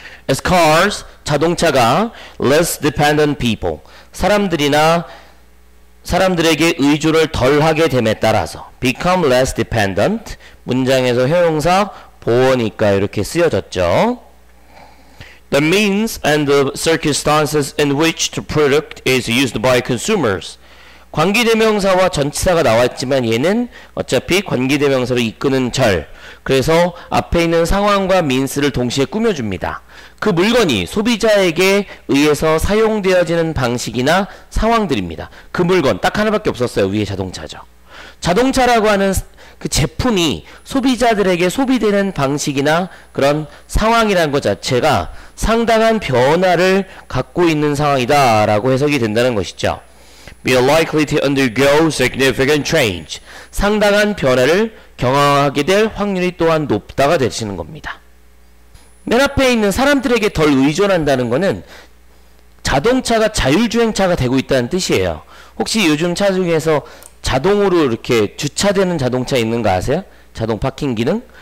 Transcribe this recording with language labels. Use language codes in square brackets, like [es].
[en] As cars, [ko] 자동차가 [en] less dependent people, [ko] 사람들이나 사람들에게 의존을 덜 하게 됨에 따라서 [en] become less dependent, [ko] 문장에서 형용사 보어니까 이렇게 쓰여졌죠. [en] The means and the circumstances in which the product is used by consumers. [ko] 관계대명사와 전치사가 나왔지만 얘는 어차피 관계대명사로 이끄는 절. 그래서 앞에 있는 상황과 means를 동시에 꾸며줍니다. 그 물건이 소비자에게 의해서 사용되어지는 방식이나 상황들입니다. 그 물건 딱 하나밖에 없었어요. 위에 자동차죠. 자동차라고 하는 그 제품이 소비자들에게 소비되는 방식이나 그런 상황이라는 것 자체가 상당한 변화를 갖고 있는 상황이다 라고 해석이 된다는 것이죠. [en] We are likely to undergo significant change. [ko] 상당한 변화를 경험하게 될 확률이 또한 높다가 되시는 겁니다. 맨 앞에 있는 사람들에게 덜 의존한다는 것은 자동차가 자율주행차가 되고 있다는 뜻이에요. 혹시 요즘 차 중에서 자동으로 이렇게 주차되는 자동차 있는 거 아세요? 자동 파킹 기능?